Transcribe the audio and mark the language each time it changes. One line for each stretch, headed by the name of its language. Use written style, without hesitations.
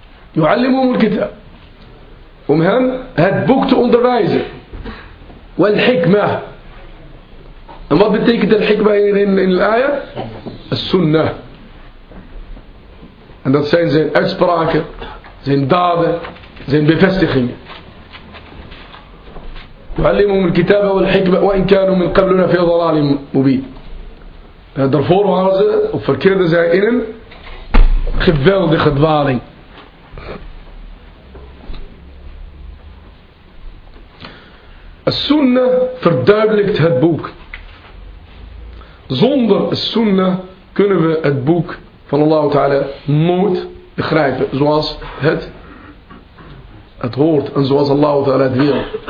Arabic: Yu'allimuhum al-kitab.
Dutch: Om hem het boek te onderwijzen.
Arabic: Wal-hikmah.
Dutch: En wat betekent al-hikmah in al-aya? Al-sunnah. En dat zijn zijn uitspraken, zijn daden, zijn bevestigingen.
Arabic: يعلمهم الكتاب والحكمة وإن كانوا من قبلنا في ضلال مبين.
Dutch: Daarvoor waren ze of verkeerden zij in een geweldige dwaling. السنة verduidelijkt het boek. Zonder السنة kunnen we het boek van Allah Ta'ala nooit begrijpen zoals het hoort en zoals Allah Ta'ala het wil.